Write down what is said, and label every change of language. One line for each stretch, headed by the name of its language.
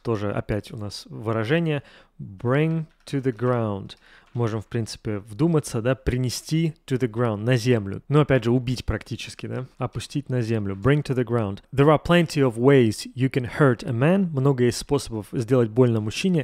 Russian: Тоже опять у нас выражение.
English: Bring to the ground.
Russian: Можем, в принципе, вдуматься, да, принести
English: to the ground,
Russian: на землю. Ну, опять же, убить практически, да, опустить на землю.
English: Bring to the ground. There are plenty of ways you can hurt a man.
Russian: Много есть способов сделать больно мужчине.